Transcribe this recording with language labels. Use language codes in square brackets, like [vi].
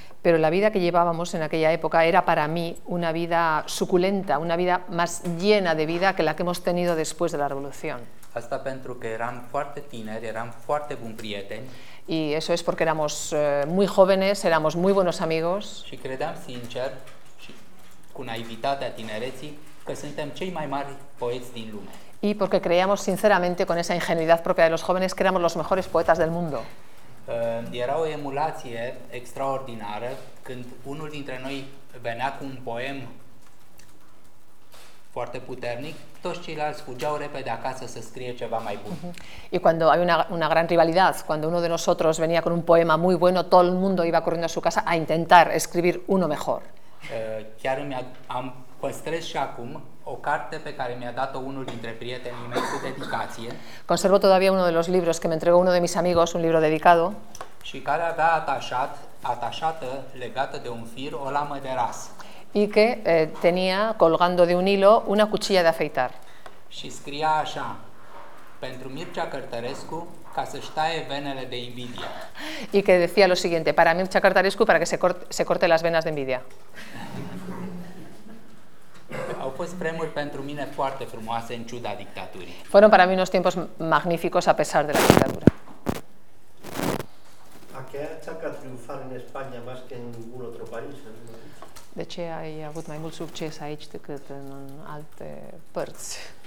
[es] Pero la vida que llevábamos en aquella época era para mí una vida suculenta, una vida más llena de vida que la que hemos tenido después de la Revolución. [ro] Asta pentru că eram foarte tineri, eram foarte buni prieteni. [es] y eso es porque éramos muy jóvenes, éramos muy buenos amigos. [ro] Și credeam sincer și cu naivitatea tinereții că suntem cei mai mari poeți din lume. [es] Y porque creíamos sinceramente con esa ingenuidad propia de los jóvenes que éramos los mejores poetas del mundo. [ro] Era o emulație extraordinară când unul dintre noi venea cu un poem foarte puternic, toți ceilalți fugeau repede acasă să scrie ceva mai bun. [es] Y cuando hay una gran rivalidad, cuando uno de nosotros venía con un poema muy bueno, todo el mundo iba corriendo a su casa a intentar escribir uno mejor. [ro] Chiar am păstrez și acum o carte pe care mi-a dat-o unul dintre prietenii mei cu dedicație. [es] Conservo todavía uno de los libros que me entregó uno de mis amigos, un libro dedicado. [ro] Și care avea atașată, legată de un fir, o lamă de ras. [es] Y que tenía colgando de un hilo una cuchilla de afeitar. [ro] Și scria așa: pentru Mircea Cărtărescu, ca să-și taie venele de invidia. [es] Y que decía lo siguiente: para Mircea Cărtărescu, para que se corte las venas de envidia. [ro] Au fost vremuri pentru mine foarte frumoase în ciuda dictaturii. [es] Fueron para mí unos tiempos magníficos a pesar de la dictadura. ¿A qué achaca triunfar en España más que en ningún otro país? [ro] De ce ai avut mai mult succes aici decât în alte părți?